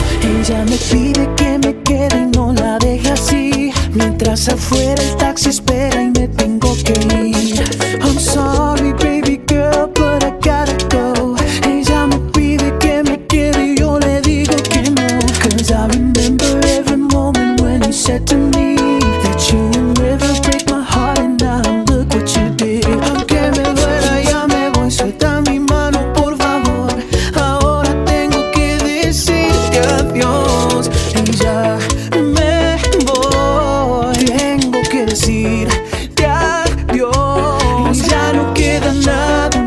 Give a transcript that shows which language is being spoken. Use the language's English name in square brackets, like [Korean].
[Spanish] Ella me pide que me quede y no la deje así. Mientras afuera el taxi espera y me tengo que ir. [English] I'm sorry, baby girl, but I gotta go. [Spanish] Ella me pide que me quede y yo le digo que no. [English] 'Cause I remember every moment when you said to me that you would never break my heart and now look what you did. [Spanish] Aunque me duela ya me voy, suelta mi mano por favor. Ahora tengo que decirte adiós y ya me voy. Tengo que decirte adiós y ya no queda nada.